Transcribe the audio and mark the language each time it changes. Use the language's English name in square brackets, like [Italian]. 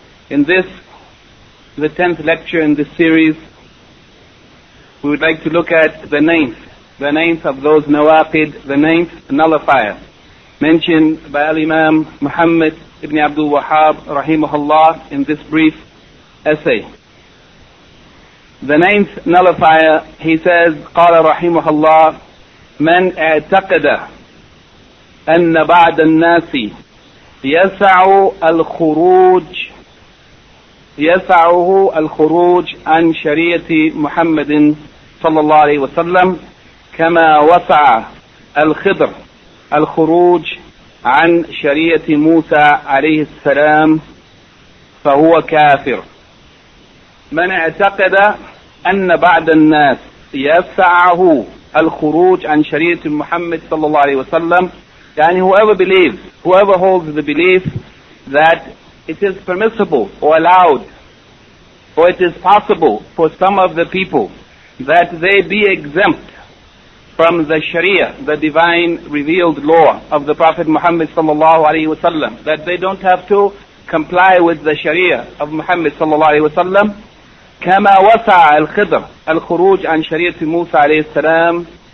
[English] In this, the 10th lecture in this series, we would like to look at the ninth of those Nawaqid, the ninth nullifier, mentioned by Al-Imam Muhammad ibn Abdul Wahhab rahimahullah in this brief essay. The ninth nullifier, he says, [Arabic] قَالَ رَحِيمُهَ اللَّهِ من اعتقد أن بعض الناس يسعه الخروج عن شريعة محمد صلى الله عليه وسلم كما وسع الخضر الخروج عن شريعة موسى عليه السلام فهو كافر. من اعتقد أن بعض الناس يسعه الخروج عن شريعة محمد صلى الله عليه وسلم, يعني [English] whoever holds the belief that it is permissible or allowed or it is possible for some of the people that they be exempt from the Sharia, the divine revealed law of the Prophet Muhammad صلى الله عليه وسلم, that they don't have to comply with the Sharia of Muhammad صلى الله عليه وسلم, [Arabic] كما وسع الخضر الخروج عن شريعة موسى عليه السلام,